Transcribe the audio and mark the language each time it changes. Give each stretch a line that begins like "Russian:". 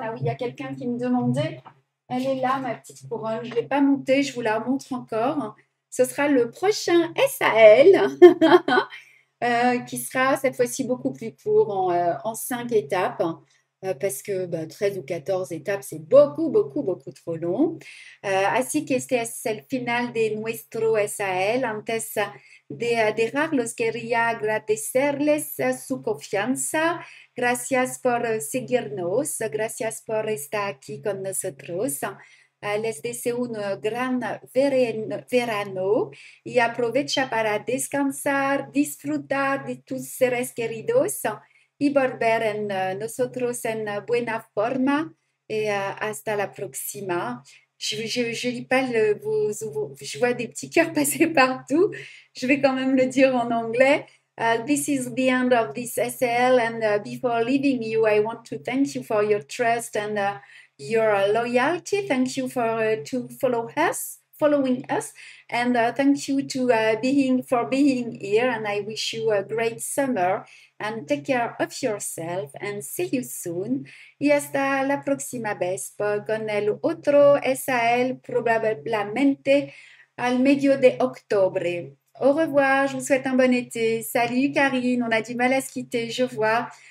French: Ah oui, il y a quelqu'un qui me demandait. Elle est là, ma petite couronne. Je ne l'ai pas montée, je vous la montre encore. Ce sera le prochain SAL, qui sera cette fois-ci beaucoup plus court en 5 étapes. Parce que bah, 13 ou 14 étapes, c'est beaucoup, beaucoup, beaucoup trop long.
Spanish: Así que este es el final de nuestro SAL. Antes de adherirlos, quería agradecerles su confianza. Gracias por seguirnos. Gracias por estar aquí con nosotros. Les deseo un gran verano y aprovecha para descansar, disfrutar de tus seres queridos. Y volver en nosotros en buena forma. Et hasta la próxima.
French: Je lis pas je vois des petits cœurs passer partout. Je vais quand même le dire en anglais.
English: This is the end of this SL. And before leaving you, I want to thank you for your trust and your loyalty. Thank you for to following us, and thank you to being here. And I wish you a great summer. And take care of yourself. And see you soon.
Spanish: Y hasta la próxima vez con el otro SAL probablemente al medio de octobre.
French: Au revoir, je vous souhaite un bon été. Salut Karine, on a du mal à se quitter, je vois.